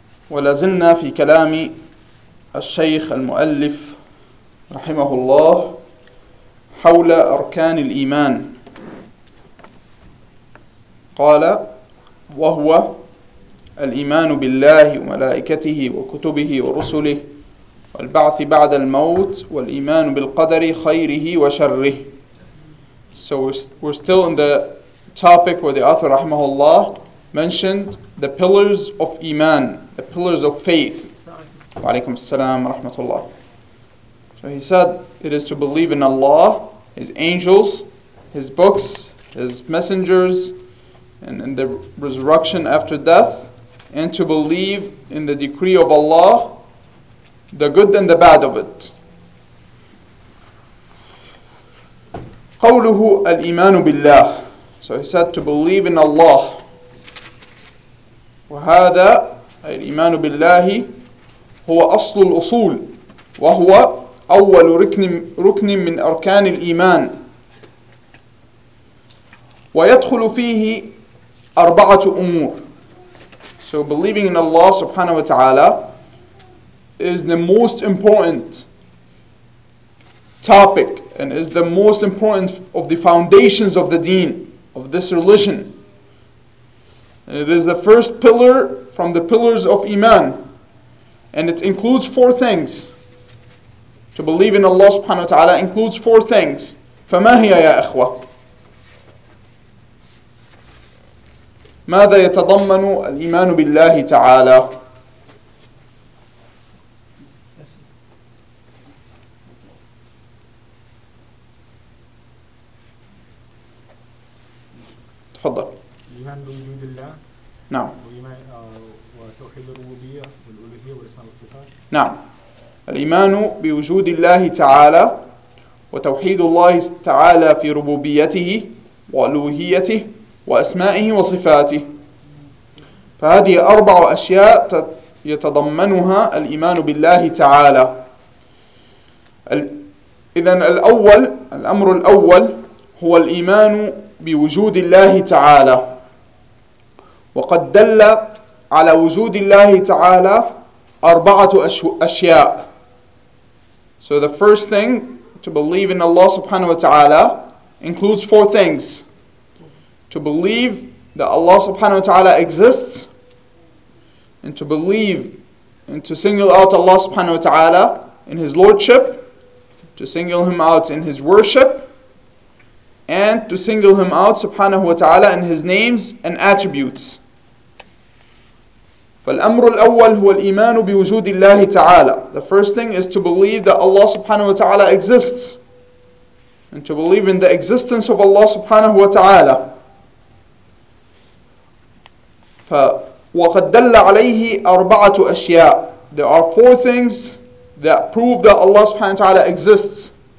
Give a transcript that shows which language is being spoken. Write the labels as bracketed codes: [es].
[ar] ولازلنا في كلام الشيخ المؤلف رحمه الله حول أركان الإيمان. قال: وهو الإيمان بالله وملائكته وكتبه ورسله والبعث بعد الموت، والإيمان بالقدر خيره وشره. [en] So we're still in the topic where the author [ar] رحمه الله [en] mentioned the pillars of إيمان, the pillars of faith. [ar] وعليكم السلام ورحمة الله. [en] So he said, it is to believe in Allah, His angels, His books, His messengers, and in the resurrection after death, and to believe in the decree of Allah, the good and the bad of it. [ar] قوله الإيمان بالله. [en] So he said to believe in Allah. [ar] وهذا الإيمان بالله هو أصل الأصول، وهو أول ركن من أركان الإيمان، ويدخل فيه أربعة أمور. [en] So believing in Allah subhanahu wa ta'ala is the most important topic and is the most important of the foundations of the deen, of this religion. And it is the first pillar from the pillars of Iman. And it includes four things. To believe in Allah subhanahu wa ta'ala includes four things. [ar] فما هي يا إخوة؟ ماذا يتضمن الإيمان بالله تعالى؟ تفضل. الإيمان بوجود الله. نعم. الإيمان وتوحيد الربوبية والألوهية والأسماء والصفات. نعم. الإيمان بوجود الله تعالى وتوحيد الله تعالى في ربوبيته وألوهيته وأسمائه وصفاته. فهذه أربع أشياء يتضمنها الإيمان بالله تعالى. إذن الأول، الأمر الأول هو الإيمان بوجود الله تعالى. وقد دل على وجود الله تعالى أربعة أشياء. [en] So the first thing to believe in Allah subhanahu wa ta'ala includes four things. To believe that Allah subhanahu wa ta'ala exists, and to believe and to single out Allah subhanahu wa ta'ala in His Lordship, to single Him out in His worship, and to single Him out subhanahu wa ta'ala in His names and attributes. [ar] فالأمر الأول هو الإيمان بوجود الله تعالى. [en] The first thing is to believe that Allah subhanahu wa ta'ala exists, and to believe in the existence of Allah subhanahu wa ta'ala. [ar] وقد دل عليه أربعة أشياء. [en] There are four things that prove that Allah [ar] سبحانه وتعالى [en] exists.